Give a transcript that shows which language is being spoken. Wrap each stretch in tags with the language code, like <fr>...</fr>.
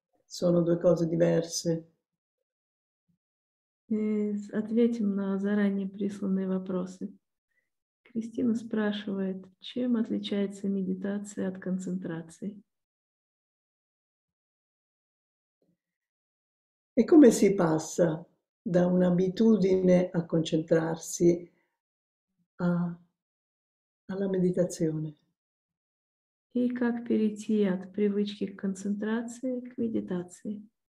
<it>Sono due cose diverse.</it> <ru>Ответим на заранее присланные вопросы. Кристина спрашивает, чем отличается медитация от концентрации?</ru> <it>E come si passa da un'abitudine a concentrarsi alla meditazione?</it> <ru>И как перейти от привычки к концентрации к медитации?</ru>